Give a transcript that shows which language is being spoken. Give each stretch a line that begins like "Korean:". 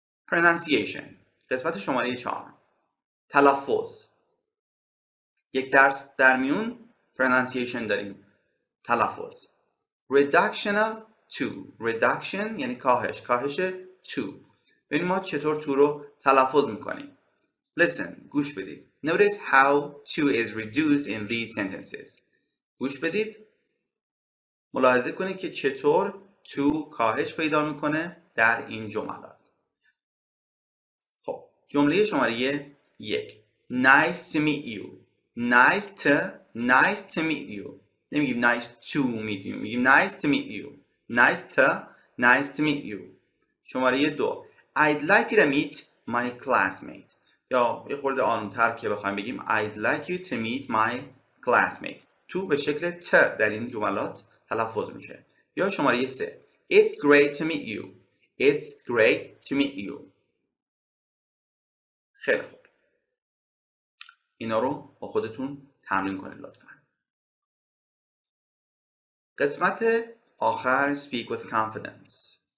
Persian: Pronunciation. قسمت شماره 4. تلفظ. یک درس در میون pronunciation داریم.
English: تلفظ. Reduction of two.
Persian: Reduction یعنی کاهش. کاهش two. ببینیم ما چطور two رو تلفظ میکنیم. Listen. گوش بدید.
English: Notice how two is reduced in these sentences.
Persian: گوش بدید. ملاحظه کنید که چطور two کاهش پیدا میکنه در این جملات. خب. جمله شماره 1.
English: Nice to meet you. Nice to meet you.
Persian: نمیگیم
English: nice to meet you.
Persian: میگیم nice to meet you. Nice to meet you. شماره 2.
English: I'd like you to meet my classmate.
Persian: یا یه خورده آنتر که بخوایم بگیم
English: I'd like you to meet my classmate.
Persian: تو به شکل ت در این جملات تلفظ میشه. یا شماره 3.
English: It's great to meet you. It's great to meet you.
Persian: خیلی خوب. اینا رو با خودتون تمرین کنید لطفا. قسمت آخر
English: speak with confidence.